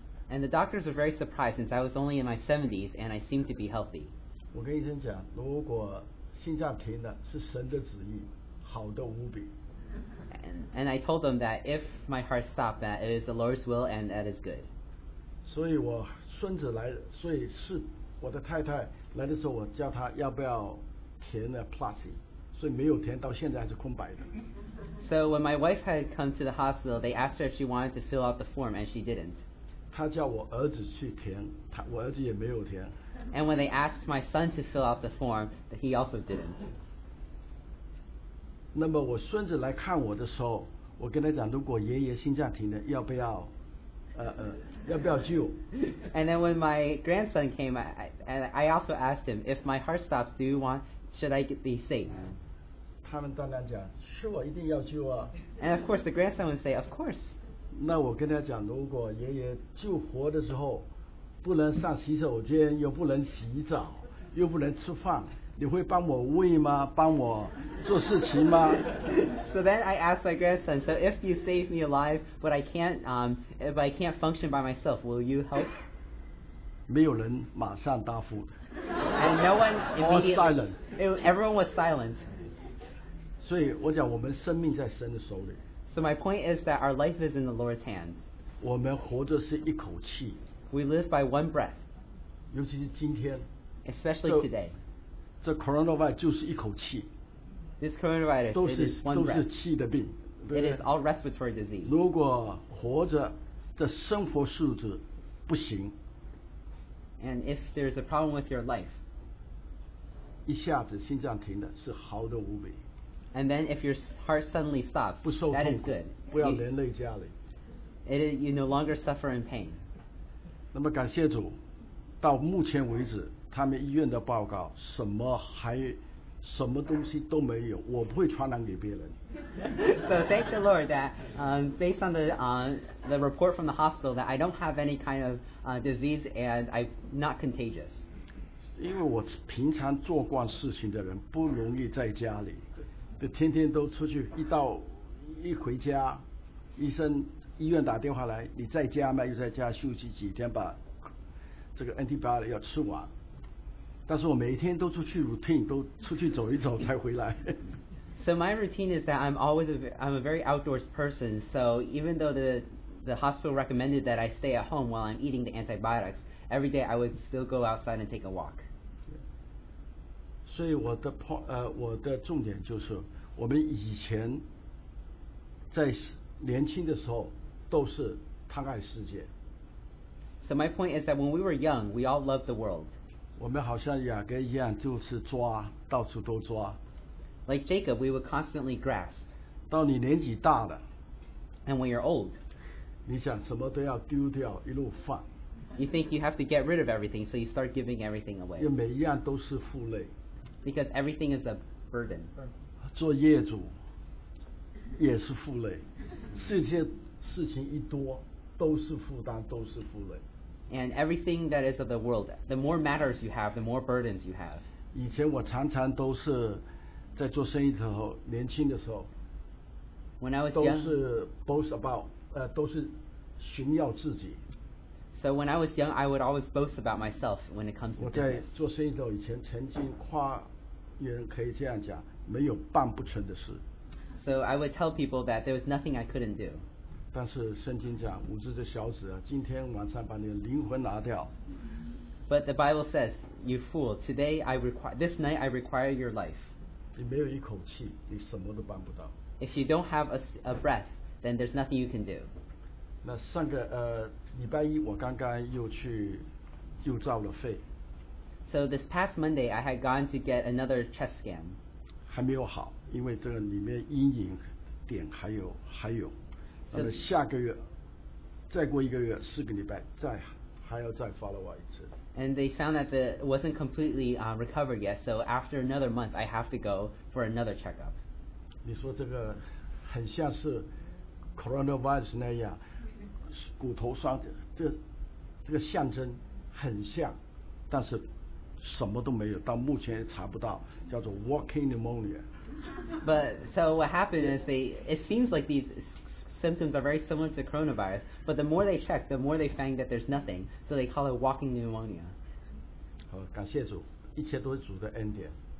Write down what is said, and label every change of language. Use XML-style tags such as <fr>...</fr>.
<en>And the doctors were very surprised since I was only in my 70s and I seemed to be healthy.</en> <zh>我跟医生讲，如果心脏停了，是神的旨意，好的无比。</zh> <en>And I told them that if my heart stopped, that it is the Lord's will and that is good.</en> <zh>所以我孙子来，所以是我的太太来的时候，我叫她要不要填了 plus， 所以没有填，到现在还是空白的。</zh> <en>So when my wife had come to the hospital, they asked her if she wanted to fill out the form, and she didn't.</en> <zh>他叫我儿子去填，他我儿子也没有填。</zh> <en>And when they asked my son to fill out the form, he also didn't.</en> <zh>那么我孙子来看我的时候，我跟他讲，如果爷爷心脏停了，要不要，要不要救</zh> <en>？And then when my grandson came, I also asked him, if my heart stops, do you want, should I be safe?</en> <zh>他们当然讲，是我一定要救啊。</zh> <en>And of course, the grandson would say, of course.</en> <zh>那我跟他讲，如果爷爷救活的时候，不能上洗手间，又不能洗澡，又不能吃饭，你会帮我喂吗？帮我做事情吗</zh> <en>？So then I asked my grandson, so if you save me alive, but I can't, if I can't function by myself, will you help?</en> <zh>没有人马上答复。</zh> <en>And no one immediately. All silent. Everyone was silent.</en> <zh>所以我讲，我们生命在神的手里。</zh> <en>So my point is that our life is in the Lord's hands.</en> <zh>我们活着是一口气。</zh> <en>We live by one breath.</en> <zh>尤其是今天。</zh> <en>Especially today.</en> <zh>这 coronavirus 就是一口气。</zh> <en>This coronavirus</en> <zh>都是</zh> <en>it is one breath.</en> <zh>都是气的病。</zh> <en>It is all respiratory disease.</en> <zh>如果活着的生活素质不行。</zh> <en>And if there's a problem with your life.</en> <zh>一下子心脏停了，是好的无比。</zh> <en>And then if your heart suddenly stops,</en> <zh>不受痛苦,</zh> <en>that is good.</en> <zh>不要连累家里。</zh> <en>It is, you no longer suffer in pain.</en> <zh>那么感谢主，到目前为止，他们医院的报告，什么还，什么东西都没有，我不会传染给别人。</zh> <en>So thank the Lord that, based on the report from the hospital that I don't have any kind of, disease and I'm not contagious.</en> <zh>因为我平常做惯事情的人，不容易在家里。就天天都出去，一到一回家，医生医院打电话来，你在家吗？又在家休息几天，把这个 antibiotic 要吃完。但是我每天都出去 routine， 都出去走一走才回来。</zh> <en>So my routine is that I'm a very outdoors person. So even though the hospital recommended that I stay at home while I'm eating the antibiotics, every day I would still go outside and take a walk.</en> <zh>所以我的重点就是，我们以前在年轻的时候都是贪爱世界。</zh> <en>So my point is that when we were young, we all loved the world.</en> <zh>我们好像雅各一样，就是抓，到处都抓。</zh> <en>Like Jacob, we would constantly grasp.</en> <zh>到你年纪大了</zh> <en>，And when you're old,</en> <zh>你想什么都要丢掉，一路放。</zh> <en>You think you have to get rid of everything, so you start giving everything away.</en> <zh>因为每一样都是负累。</zh> <en>Because everything is a burden.</en> <zh>做业主也是负累，这些事情一多都是负担，都是负累。</zh> <en>And everything that is of the world, the more matters you have, the more burdens you have.</en> <zh>以前我常常都是在做生意的时候，年轻的时候</zh> <en>，When I was young,</en> <zh>都是</zh> <en>boast about，</en> <zh>都是炫耀自己。</zh> <en>So when I was young, I would always boast about myself when it comes to business.</en> <zh>我在做生意的时候，以前曾经夸人，可以这样讲，没有办不成的事。</zh> <en>So I would tell people that there was nothing I couldn't do.</en> <zh>但是圣经讲，无知的小子啊，今天晚上把你的灵魂拿掉。</zh> <en>But the Bible says, "You fool! Today I require this night. I require your life."</en> <zh>你没有一口气，你什么都办不到。</zh> <en>If you don't have a breath, then there's nothing you can do.</en> <zh>那上个礼拜一我刚刚又去又照了肺。</zh> <en>So this past Monday I had gone to get another chest scan.</en> <zh>还没有好，因为这个里面阴影点还有。那么下个月，再过一个月，四个礼拜，还要再</zh> <en>follow up</en> <zh>一次。</zh> <en>And they found that it wasn't completely recovered yet, so after another month I have to go for another checkup.</en> <zh>你说这个很像是 coronavirus 那样。骨头酸，这个象征很像，但是什么都没有，到目前也查不到，叫做 walking pneumonia。</zh> <en>But so what happened is it seems like these symptoms are very similar to coronavirus, but the more they check, the more they find that there's nothing. So they call it walking pneumonia.</en> <zh>好，感谢主，一切都是主的恩典。</zh>